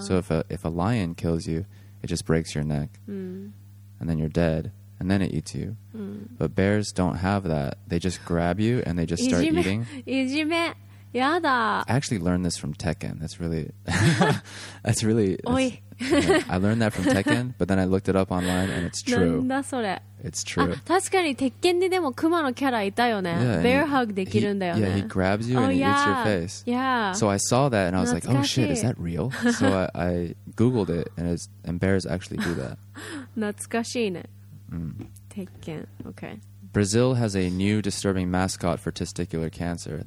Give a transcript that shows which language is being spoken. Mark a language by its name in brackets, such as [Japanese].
[English] So if a lion kills you, it just breaks your neck, and then you're dead, and then it eats you. But bears don't have that. They just grab you and they just start eating. [Japanese] いじめ、やだ。 [English] I actually learned this from Tekken. I learned that from Tekken, but then I looked it up online and it's true. [Japanese] なんだそれ。 [English] It's true. [Japanese] 確かに鉄拳ででも熊のキャラいたよね。 [English] Bear hug [Japanese] できるんだよね。 [English] Yeah, he grabs you and he eats your face. Yeah. So I saw that and I was like, oh shit, is that real? So I googled it and bears actually do that. [Japanese] 懐かしいね。鉄拳、 [English] okay. Brazil has a new disturbing mascot for testicular cancer.